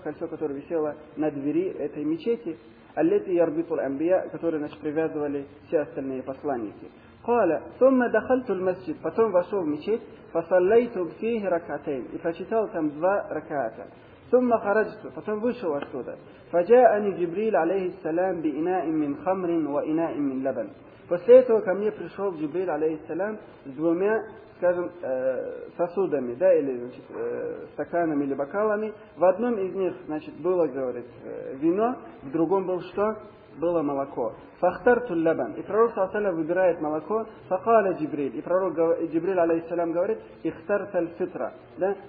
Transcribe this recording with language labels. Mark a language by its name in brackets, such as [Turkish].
[Russian] Кольцо, которое висело на двери этой мечети, [Arabic] аллати ярбиту аль-анбия, [Russian] которое, значит, привязывали все остальные посланники. [Arabic] Кала, ثم دخلت المسجد, [Russian] потом вошел в мечеть, [Arabic] فصليت فيه ركعتين, [Russian] и прочитал там два ракаата. [Arabic] ثم خرجت, [Russian] потом вышел оттуда. [Arabic] فجاءني جبريل عليه السلام بإناء من خمر وإناء من لبن. [Russian] После этого ко мне пришел Джибрил алейхи салям с двумя, скажем, сосудами, да, или, значит, стаканами или бокалами. В одном из них, значит, было, говорит, вино, в другом был что? Было молоко. [Arabic] Фахтарту лабан. [Russian] И пророк саллаллаху алейхи ва саллям выбирает молоко. [Arabic] Факала Джибрил. [Russian] И пророк Джибрил алейхи салям говорит: [Arabic] «Ихтарта аль-фитра». [Russian] Да?